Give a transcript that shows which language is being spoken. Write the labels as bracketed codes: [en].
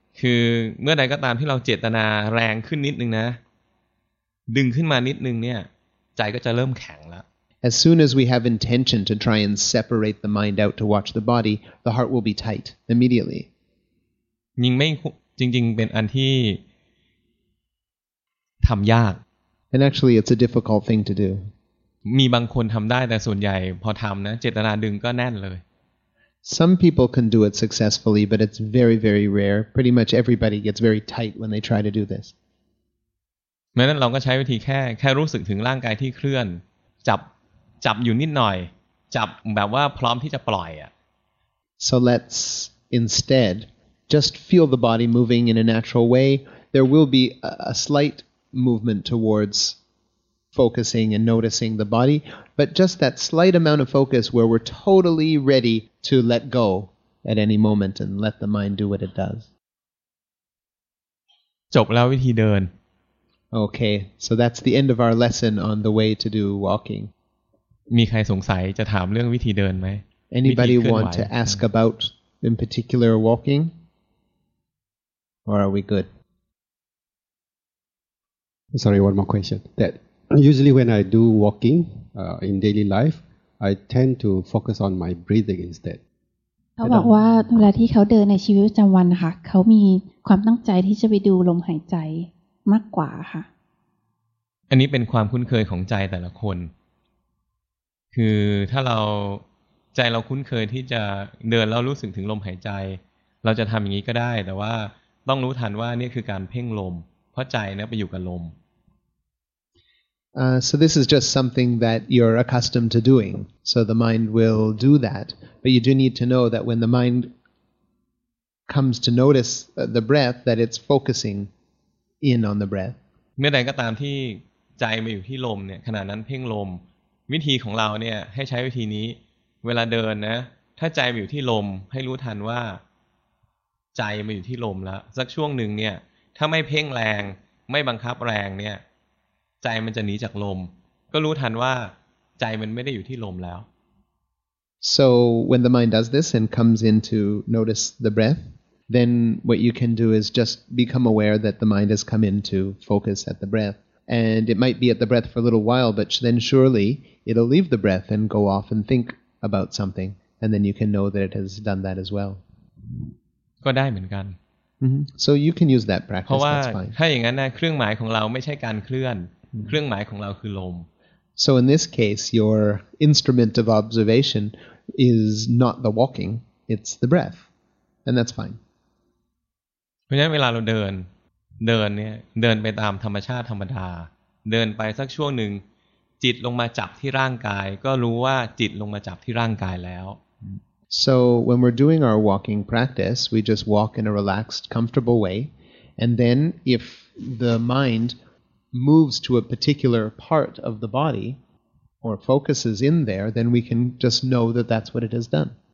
[th] คือเมื่อใดก็ตามที่เราเจตนาแรงขึ้นนิดนึงนะดึงขึ้นมานิดนึงเนี่ยใจก็จะเริ่มแข็งแล้ว [en] As soon as we have intention to try and separate the mind out to watch the body the heart will be tight immediately [th] ยิ่งไม่จริงๆเป็นอันที่ทำยาก [en] And actually it's a difficult thing to do [th] มีบางคนทำได้แต่ส่วนใหญ่พอทำนะเจตนาดึงก็แน่นเลย [en] Some people can do it successfully, but it's very, very rare. Pretty much everybody gets very tight when they try to do this. [th] แม้นั้นเราก็ใช้วิธีแค่รู้สึกถึงร่างกายที่เคลื่อนจับอยู่นิดหน่อยจับแบบว่าพร้อมที่จะปล่อยอ่ะ [en] So let's instead just feel the body moving in a natural way. There will be a slight movement towards focusing and noticing the body, but just that slight amount of focus where we're totally ready to let go at any moment and let the mind do what it does. [th] จบแล้ววิธีเดิน [en] Okay, so that's the end of our lesson on the way to do walking. [th] มีใครสงสัยจะถามเรื่องวิธีเดินไหม [en] Anybody want to ask about in particular walking? Or are we good? Sorry, one more question. That usually when I do walking in daily life, I tend to focus on my breathing instead. [th] เขาบอกว่าเวลาที่เขาเดินในชีวิตประจำวันค่ะเขามีความตั้งใจที่จะไปดูลมหายใจมากกว่าค่ะ อันนี้เป็นความคุ้นเคยของใจแต่ละคนคือถ้าเราใจเราคุ้นเคยที่จะเดินแล้วรู้สึกถึงลมหายใจเราจะทำอย่างนี้ก็ได้แต่ว่าต้องรู้ทันว่านี่คือการเพ่งลมเพราะใจเนี่ยไปอยู่กับลม [en] So this is just something that you're accustomed to doing. So the mind will do that. But you do need to know that when the mind comes to notice the breath, that it's focusing in on the breath. [th] เมื่อใดก็ตามที่ใจไปอยู่ที่ลมเนี่ยขณะนั้นเพ่งลมวิธีของเราเนี่ยให้ใช้วิธีนี้เวลาเดินนะถ้าใจอยู่ที่ลมให้รู้ทันว่าใจมาอยู่ที่ลมแล้วสักช่วงหนึ่งเนี่ยถ้าไม่เพ่งแรงไม่บังคับแรงเนี่ยใจมันจะหนีจากลมก็รู้ทันว่าใจมันไม่ได้อยู่ที่ลมแล้ว [en] So when the mind does this and comes in to notice the breath then what you can do is just become aware that the mind has come in to focus at the breathand it might be at the breath for a little while but then surely it'll leave the breath and go off and think about something and then you can know that it has done that as well [th] ก็ได้เหมือนกัน [en] so you can use that practice that's fine [th] เพรา ะว่าถ้าอย่างนั้นนะเครื่องหมายของเราไม่ใช่การเคลื่อนเครื่องหมายของเราคือลม [en] so in this case your instrument of observation is not the walking it's the breath and that's fine [th] เพราะฉะนั้นเวลาเราเดินเนี่ยเดินไปตามธรรมชาติธรรมดาเดินไปสักช่วงหนึ่งจิตลงมาจับที่ร่างกายก็รู้ว่าจิตลงมาจับที่ร่างกายแล้ว [en] So when we're doing our walking practice we just walk in a relaxed comfortable way and then if the mind moves to a particular part of the body or focuses in there then we can just know that that's what it has done